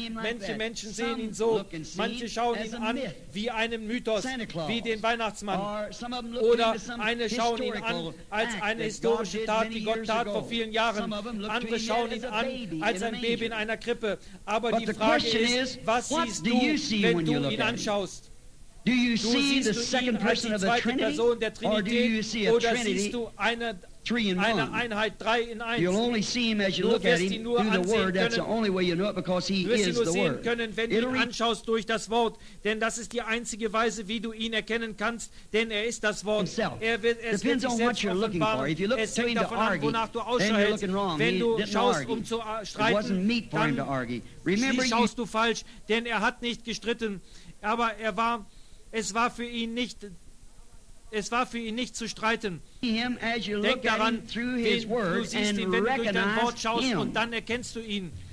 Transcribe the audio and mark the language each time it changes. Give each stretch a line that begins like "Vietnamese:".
German: Manche Menschen sehen ihn so, manche schauen ihn an wie einen Mythos, wie den Weihnachtsmann. Oder eine schauen ihn an als eine historische Tat, die Gott tat vor vielen Jahren. Andere schauen ihn an als ein Baby in einer Krippe. Aber die Frage ist, was siehst du, wenn du ihn anschaust?
English: Do you see the second person of the Trinity, or do you see a Trinity,
German: eine Einheit, drei in eins?
English: You'll only see him as you look at him through the Word. That's the only way you know it, because he is the Word.
German: Du wirst ihn sehen können, wenn du ihn anschaust durch das Wort, denn das ist die einzige Weise, wie du ihn erkennen kannst, denn er ist das Wort.
English: Depends on what you're looking for. If you look to him to argue, then you're looking wrong.
German: Wenn du schaust, um zu streiten, dann
English: it wasn't meat for him to argue.
German: Schaust du falsch, denn er hat nicht gestritten, aber er war Es war für ihn nicht zu streiten. Denk daran, wenn du siehst ihn, wenn du durch dein Wort schaust und dann erkennst du ihn.